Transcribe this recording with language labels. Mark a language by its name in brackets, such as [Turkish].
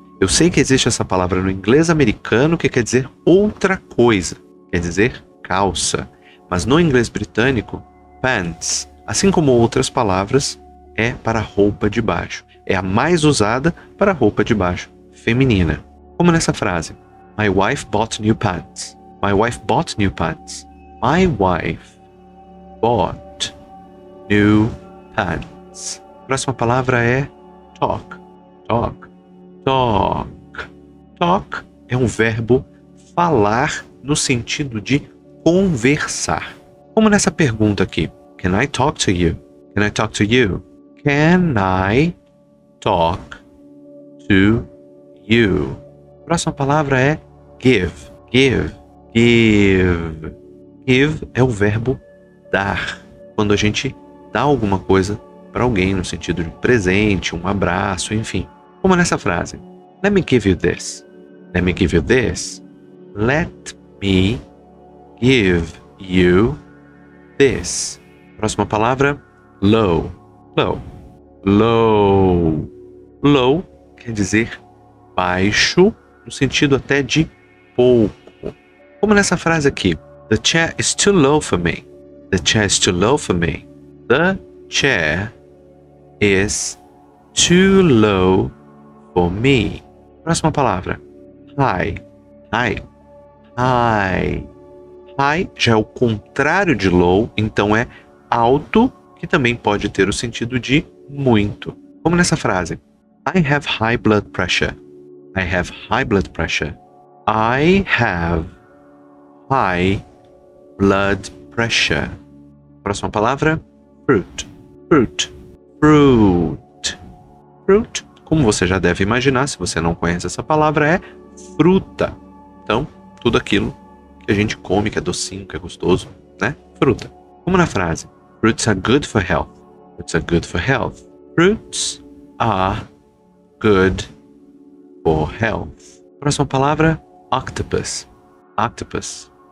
[Portuguese] Eu sei que existe essa palavra no inglês americano que quer dizer outra coisa, quer dizer calça. Mas no inglês britânico, pants, assim como outras palavras, é para roupa de baixo. É a mais usada para roupa de baixo feminina. Como nessa frase, [English] my wife bought new pants. My wife bought new pants. My wife bought new pants. [Portuguese] Próxima palavra é talk. Talk. Talk. Talk é um verbo falar no sentido de conversar. Como nessa pergunta aqui, [English] can I talk to you? Can I talk to you? Can I talk to you? [Portuguese] Próxima palavra é give. Give. Give. Give é o verbo dar. Quando a gente dá alguma coisa para alguém no sentido de um presente, um abraço, enfim. Como nessa frase, [English] let me give you this. Let me give you this. Let me give you this. [Portuguese] Próxima palavra, low. Low. Low. Low quer dizer baixo, no sentido até de pouco. Como nessa frase aqui, [English] the chair is too low for me. The chair is too low for me. The chair is too low for me. [Portuguese] Próxima palavra, high. High. High. High já é o contrário de low, então é alto, que também pode ter o sentido de muito. Como nessa frase, [English] I have high blood pressure. I have high blood pressure. I have high blood pressure. [Portuguese] Próxima palavra, fruit. Fruit. Fruit. Fruit como você já deve imaginar, se você não conhece essa palavra, é fruta. Então, tudo aquilo que a gente come, que é docinho, que é gostoso, né? Fruta. Como na frase, [English] fruits are good for health. Fruits are good for health. Fruits are good for health. [Portuguese] Próxima palavra, octopus. Octopus.